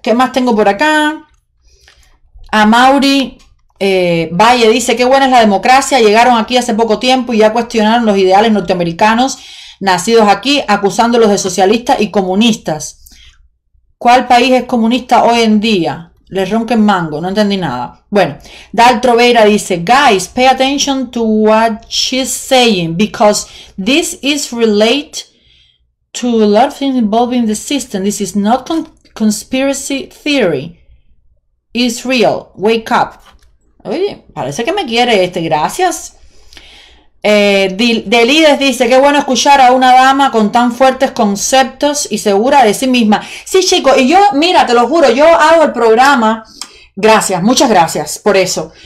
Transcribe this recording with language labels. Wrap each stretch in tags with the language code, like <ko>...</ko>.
<es>¿Qué más tengo por acá? A Mauri Valle dice, qué buena es la democracia. Llegaron aquí hace poco tiempo y ya cuestionaron los ideales norteamericanos nacidos aquí, acusándolos de socialistas y comunistas. ¿Cuál país es comunista hoy en día? Le ronquen mango, no entendí nada.</es> <en>Bueno, Dal Troveira dice, guys, pay attention to what she's saying, because this is related to a lot of things involving the system. This is not conspiracy theory. It's real. Wake up.</en> <es>Oye, parece que me quiere este, gracias. Delides dice, qué bueno escuchar a una dama con tan fuertes conceptos y segura de sí misma. Sí, chicos, y yo, mira, te lo juro, yo hago el programa, gracias, muchas gracias por eso.</es>